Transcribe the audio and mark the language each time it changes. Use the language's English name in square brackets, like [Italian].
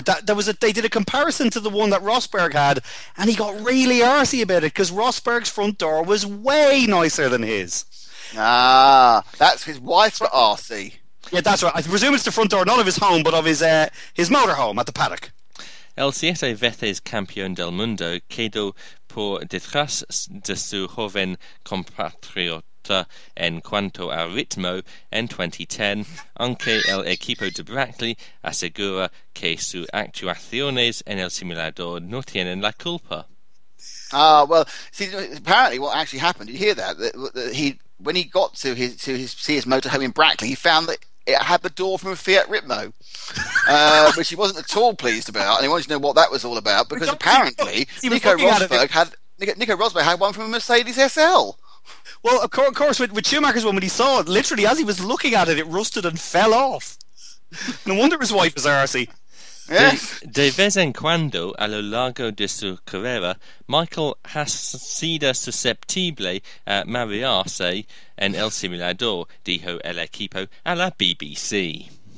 [English] They did a comparison to the one that Rosberg had, and he got really arsy about it because Rosberg's front door was way nicer than his. Ah, that's his wife's arsy. Yeah, that's right. I presume it's the front door, not of his home, but of his motorhome at the paddock. [Spanish] El siete veces campeón del mundo quedó por detrás de su joven compatriota en cuanto a ritmo en 2010, aunque el equipo de Brackley asegura que sus actuaciones en el simulador no tienen la culpa. [English] Ah, well, see, apparently what actually happened, did you hear that? When he got to see his motorhome in Brackley, he found that it had the door from a Fiat Ritmo, which he wasn't at all pleased about, and he wanted to know what that was all about, because apparently Nico Rosberg had one from a Mercedes SL. Well, of course, with Schumacher's one, when he saw it, literally as he was looking at it, it rusted and fell off. No wonder his wife was arsey. Yes. [Spanish] De vez en cuando, a lo largo de su carrera, Michael ha sido susceptible a marearse en el simulador, dijo el equipo a la BBC.